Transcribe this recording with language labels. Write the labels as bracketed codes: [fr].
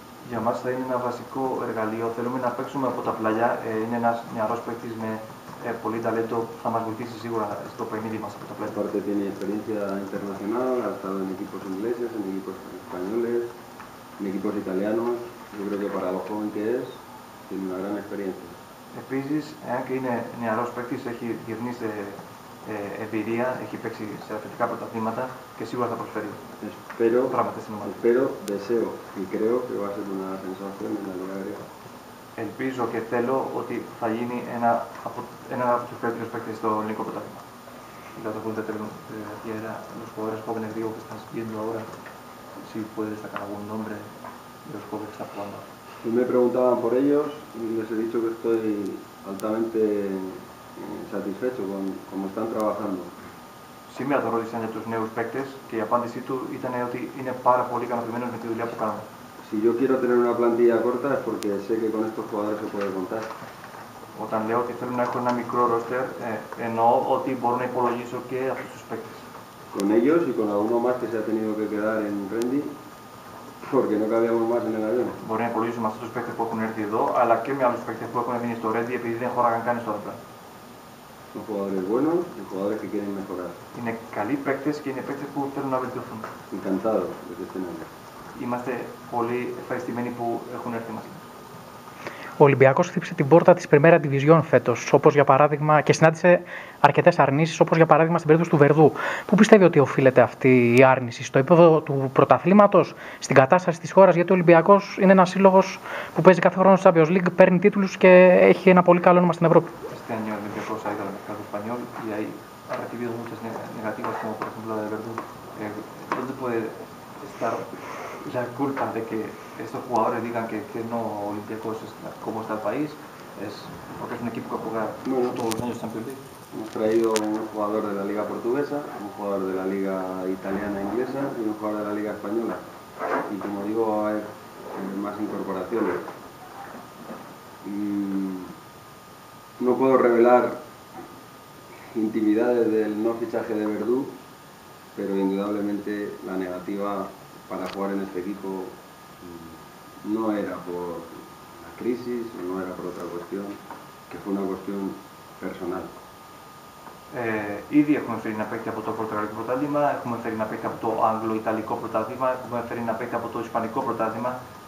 [es] Y además hay un básico, el galío, el lumen apexum, el puta playa, y ni arroz pectis, ni polita leto, jamás vicis, y sigo esto para mí, más puta playa. Aparte tiene experiencia internacional, ha estado en equipos ingleses, en equipos españoles, en equipos italianos. Yo creo que para lo joven que es, tiene una gran experiencia. [el] Επίσης, εάν και είναι νεαρός παίκτης, έχει γυρνήσει εμπειρία, έχει παίξει σε αθλητικά πρωταθλήματα και σίγουρα θα προσφέρει πράγματα στην ομάδα. [es] Espero, deseo y creo que va a ser una sensación en la Liga. [el] Ελπίζω και θέλω ότι θα γίνει ένα από τους καλύτερους παίκτες στο ελληνικό πρωτάθλημα. Θα το πούμε τελευταία φορά, [es] los jugadores jóvenes griegos que están siguiendo ahora, si puedes sacar algún nombre de los jóvenes que están jugando. Y me preguntaban por ellos y les he dicho que estoy altamente satisfecho con cómo están trabajando. [el] Σήμερα το ρώτησαν για τους νέους παίκτες και η απάντησή του ήταν ότι είναι πάρα πολύ ικανοποιημένος με τη δουλειά που κάνουν. [es] Si yo quiero tener una plantilla corta es porque sé que con estos jugadores se puede contar. [el] Όταν λέω ότι θέλω να έχω ένα μικρό roster, εννοώ ότι μπορώ να υπολογίσω και αυτούς τους παίκτες. [es] Con ellos y con alguno más que se ha tenido que quedar en Rendi. Porque no cabíamos más en el avión. [el] Μπορεί να υπολογίσω με αυτούς τους παίκτες που έχουν έρθει εδώ, αλλά και με άλλους παίκτες που έχουν μείνει στο Ρέντι επειδή δεν χωράγαν καν στο αεροπλάνο. [es] Son jugadores buenos y jugadores que quieren mejorar. [el] Είναι καλοί παίκτες και είναι παίκτες που θέλουν να βελτιωθούν. [es] Encantado de que estén aquí. [el] Είμαστε πολύ ευχαριστημένοι που έχουν έρθει μαζί. Ο Ολυμπιακός χτύπησε την πόρτα της Πριμέρα Ντιβιζιόν φέτος, όπως για παράδειγμα, και συνάντησε αρκετές αρνήσεις, όπως για παράδειγμα στην περίπτωση του Βερδού. Πού πιστεύει ότι οφείλεται αυτή η άρνηση, στο επίπεδο του πρωταθλήματος, στην κατάσταση της χώρας, γιατί ο Ολυμπιακός είναι ένας σύλλογος που παίζει κάθε χρόνο στη Champions League, παίρνει τίτλους και έχει ένα πολύ καλό όνομα στην Ευρώπη. [es] Este año el Ολυμπιακός ha ido al mercado español y ha recibido muchas negativas, como por ejemplo la de Verdú. ¿Dónde puede estar la culpa de que estos jugadores digan que no Olympiacos es como está el país? Es porque es un equipo que juega todos los años Champions League. Hemos traído un jugador de la liga portuguesa, un jugador de la liga italiana inglesa y un jugador de la liga española. Y como digo, va a haber más incorporaciones. Y no puedo revelar intimidades del no fichaje de Verdú, pero indudablemente la negativa para jugar en este equipo no era por la crisis, no era por otra cuestión, que fue una cuestión personal. [el] Ήδη έχουμε φέρει ένα παίκτη από το πορτογαλικό πρωτάθλημα, έχουμε φέρει ένα παίκτη από το αγγλο-ιταλικό πρωτάθλημα, έχουμε φέρει ένα παίκτη από το ισπανικό πρωτάθλημα.